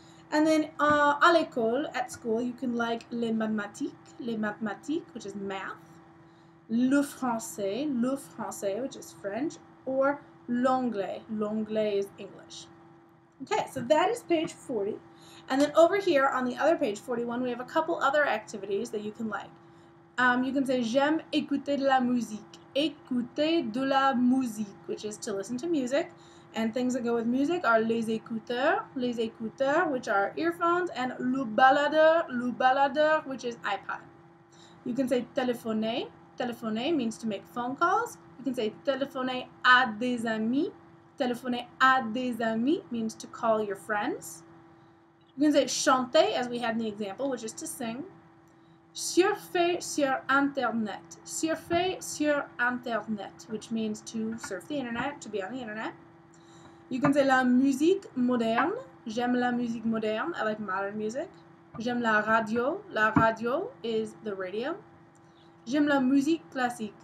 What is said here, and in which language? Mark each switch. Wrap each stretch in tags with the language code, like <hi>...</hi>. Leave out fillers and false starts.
<en>And then</en> <fr>à l'école,</fr> <en>at school, you can like les mathématiques, which is math, le français, which is French, or l'anglais, l'anglais is English. Okay, so that is page 40. And then over here on the other page, 41, we have a couple other activities that you can like. You can say,</en> <fr>j'aime écouter de la musique. Écouter de la musique,</fr> <en>which is to listen to music. And things that go with music are les écouteurs, which are earphones, and le baladeur, which is iPod. You can say, téléphoner. Téléphoner means to make phone calls. You can say,</en> <fr>téléphoner à des amis. Téléphoner à des amis</fr> <en>means to call your friends. You can say, chanter, as we had in the example, which is to sing.</en> <fr>Surfer sur Internet. Surfer sur Internet,</fr> <en>which means to surf the Internet, to be on the Internet. You can say</en> <fr>la musique moderne. J'aime la musique moderne.</fr> <en>I like modern music.</en> <fr>J'aime la radio. La radio</fr> <en>is the radio.</en> <fr>J'aime la musique classique.</fr>